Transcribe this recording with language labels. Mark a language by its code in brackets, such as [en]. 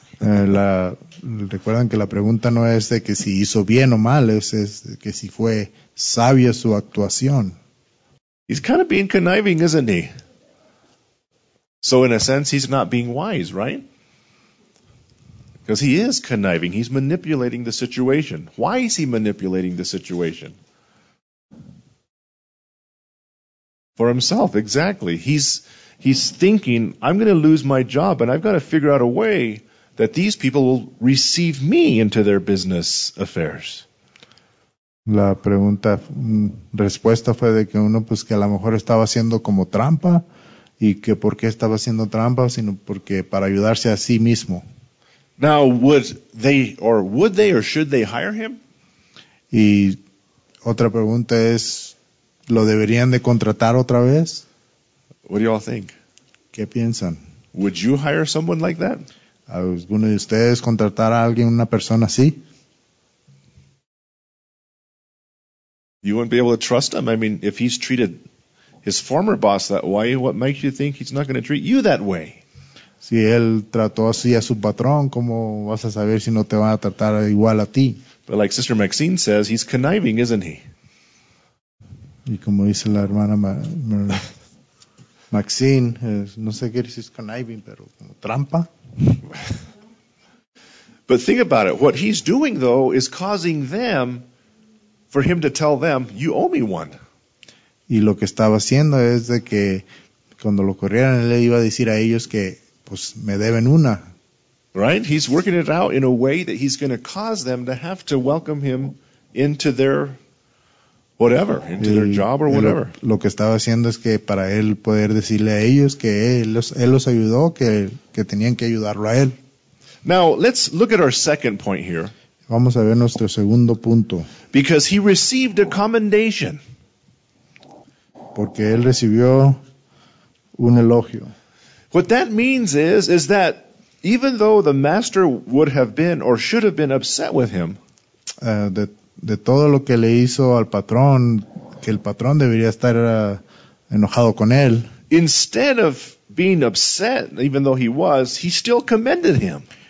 [es] Recuerden que la pregunta no es de que si hizo bien o mal, es que si fue sabia su actuación. [en] He's kind of being conniving, isn't he? So in a sense, he's not being wise, right? Because he is conniving. He's manipulating the situation. Why is he manipulating the situation? For himself, exactly. He's He's thinking, I'm going to lose my job, and I've got to figure out a way that these people will receive me into their business affairs. [es] La pregunta, respuesta fue de que uno, pues que a lo mejor estaba haciendo como trampa, y que por qué estaba haciendo trampa, sino porque para ayudarse a sí mismo. [en] Now, would they or should they hire him? [es] Y otra pregunta es, ¿lo deberían de contratar otra vez? [en] What do you all think? [es] ¿Qué piensan? [en] Would you hire someone like that? [es] ¿Alguno de ustedes contratar a alguien, una persona así? [en] You wouldn't be able to trust him. I mean, if he's treated his former boss that way, what makes you think he's not going to treat you that way? [es] Si él trató así a su patrón, ¿cómo vas a saber si no te va a tratar igual a ti? [en] But like Sister Maxine says, he's conniving, isn't he? [es] Y como dice la hermana Maxine, no sé qué es conniving, pero como trampa. [en] But think about it. What he's doing, though, is causing them, for him to tell them, you owe me one. [es] Y lo que estaba haciendo es de que cuando lo corrieran, él le iba a decir a ellos que, pues, me deben una. [en] Right? He's working it out in a way that he's going to cause them to have to welcome him into their whatever, into their job or whatever. [es] Lo que estaba haciendo es que para él poder decirle a ellos que él los ayudó, que tenían que ayudarlo a él. [en] Now, let's look at our second point here. [es] Vamos a ver nuestro segundo punto. [en] Because he received a commendation. [es] Porque él recibió un elogio. [en] What that means is that even though the master would have been or should have been upset with him, [es] De todo lo que le hizo al patrón, que el patrón debería estar enojado con él. [en] Instead of being upset, even though he was, he still commended him.